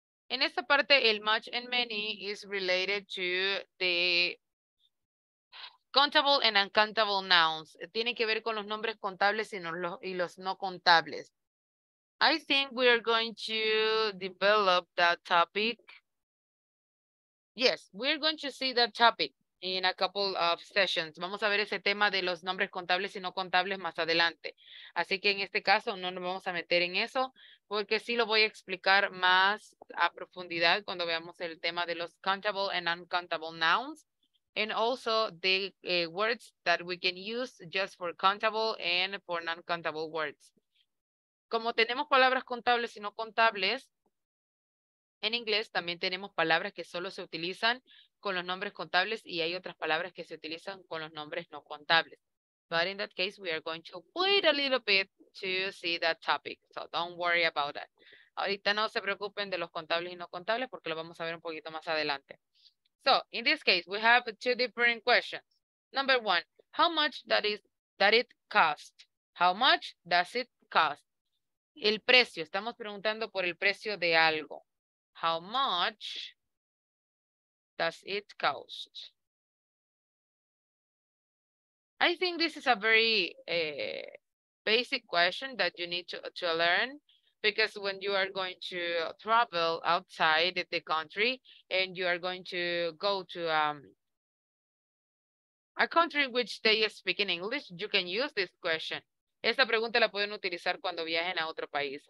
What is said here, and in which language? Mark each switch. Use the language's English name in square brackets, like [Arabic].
[Spanish] En esta parte, el [English] much and many is related to the countable and uncountable nouns. [Spanish] Tiene que ver con los nombres contables y los no contables. [English] I think we are going to develop that topic. Yes, we're going to see that topic in a couple of sessions. [Spanish] Vamos a ver ese tema de los nombres contables y no contables más adelante. Así que en este caso no nos vamos a meter en eso, porque sí lo voy a explicar más a profundidad cuando veamos el tema de los countable and uncountable nouns. [English] And also the words that we can use just for countable and for non-countable words. [Spanish] Como tenemos palabras contables y no contables, en inglés también tenemos palabras que solo se utilizan con los nombres contables y hay otras palabras que se utilizan con los nombres no contables. [English] But in that case, we are going to wait a little bit to see that topic. So don't worry about that. [Spanish] Ahorita no se preocupen de los contables y no contables porque lo vamos a ver un poquito más adelante. [English] So, in this case, we have two different questions. Number one, how much that it cost? How much does it cost? [Spanish] El precio. Estamos preguntando por el precio de algo. [English] How much does it cost? I think this is a very basic question that you need to learn. Because when you are going to travel outside the country and you are going to go to a country which they speak in English, you can use this question. [Spanish] Esta pregunta la pueden utilizar cuando viajen a otro país.